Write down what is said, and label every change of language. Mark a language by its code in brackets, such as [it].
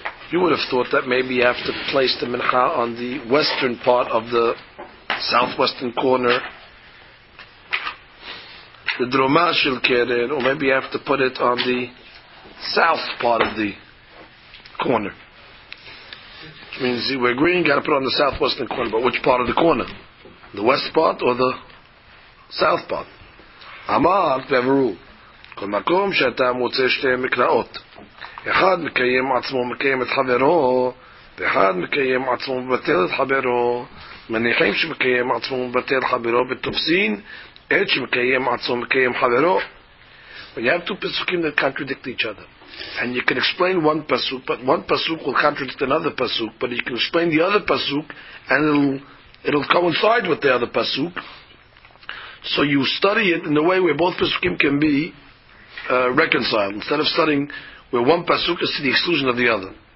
[en] You would have thought that maybe you have to place the mincha on the western part of the southwestern corner, the droma shel keren, or maybe you have to put it on the south part of the corner. Which means we're agreeing, got to put it on the southwestern corner. But which part of the corner? The west part or the south part? [he] Amar beveru. כל מקום שאתה מוצא שתי מקראות אחד מקיים עצמו מקיים את חברו ואחד מקיים עצמו מבטל את חברו מניחים שמקיים עצמו מבטל חברו בתופסין עד שמקיים עצמו מקיים חברו. [en] We have two פסוקים that contradict each other, and you can explain one פסוק, but one פסוק will contradict another פסוק, but you can explain the other פסוק and it'll coincide with the other פסוק, so you study it in a way where both פסוקים can be reconciled, instead of studying where one pasuk is to the exclusion of the other.